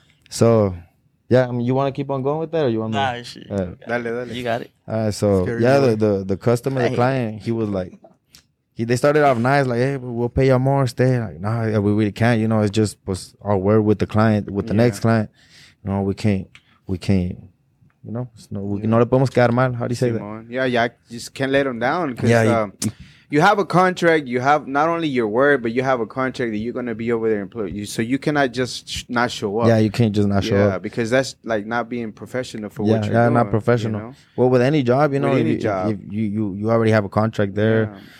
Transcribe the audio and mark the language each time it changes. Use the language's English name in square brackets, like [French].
[English] So, you want to keep on going with that or you want me? Dale. You got it. All right, so, the customer, the client, he was like, they started off nice, like, hey, we'll pay y'all more, stay. Like, nah, we really can't. It's just our word with the client, with the next client. We can't. [Spanish] No le podemos quedar mal. [English] How do you say that? Yeah, just can't let them down. You have a contract. You have not only your word, but you have a contract that you're going to be over there and play. So you cannot just not show up. Yeah, you can't just not show up. Yeah, because that's like not being professional for what you're doing. Yeah, not professional. Well, with any job, you already have a contract there. Yeah.